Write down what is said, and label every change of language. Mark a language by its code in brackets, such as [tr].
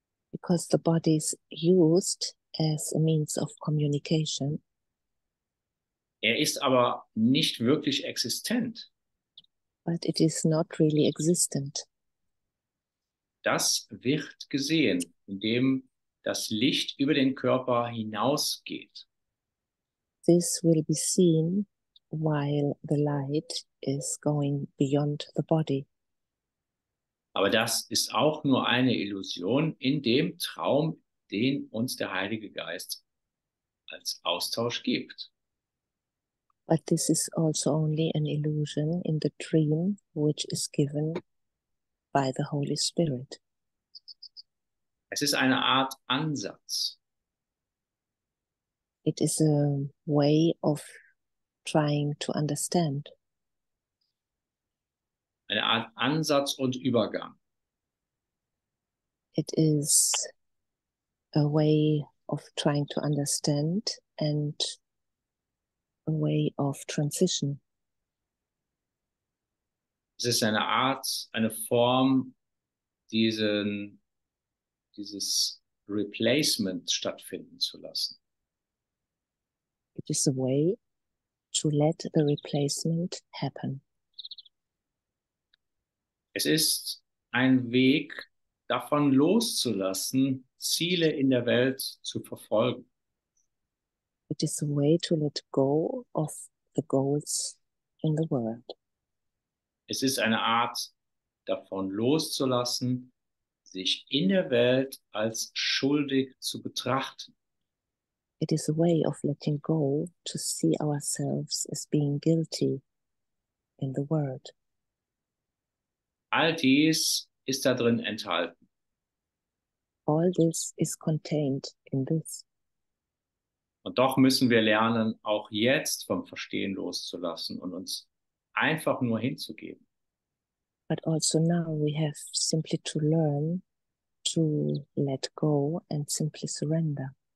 [en] Because the body is used as a means of communication. [de] Er ist aber nicht wirklich existent. [en] But it is not really existent. [de] Das wird gesehen, indem das Licht über den Körper hinausgeht. [en] This will be seen while the light is going beyond the body. [de] Aber das ist auch nur eine Illusion in dem Traum, den uns der Heilige Geist als Austausch gibt. [en] But this is also only an illusion in the dream, which is given by the Holy Spirit. [de] Es ist eine Art Ansatz. [en] It is a way of trying to understand. [de] Eine Art Ansatz und Übergang. [en] It is a way of trying to understand and a way of transition. [de] Es ist eine Art, eine Form, dieses Replacement stattfinden zu lassen. [en] It is a way to let the replacement happen. [de] Es ist ein Weg, davon loszulassen, Ziele in der Welt zu verfolgen. [en] It is a way to let go of the goals in the world. [de] Es ist eine Art, davon loszulassen, sich in der Welt als schuldig zu betrachten. [en] It is a way of letting go to see ourselves as being guilty in the world. [de] All dies ist da drin enthalten. [en] All this is contained in this. [de] Und doch müssen wir lernen, auch jetzt vom Verstehen loszulassen und uns einfach nur hinzugeben. [en] But also now we have simply to learn to let go and simply surrender.